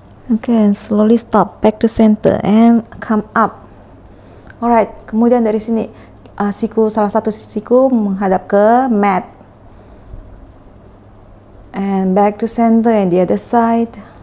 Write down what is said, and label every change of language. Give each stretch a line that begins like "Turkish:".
English: Okay, slowly stop, back to center, and come up.
Indonesian: Alright, kemudian dari sini, salah satu siku menghadap ke mat.
English: And back to center and the other side.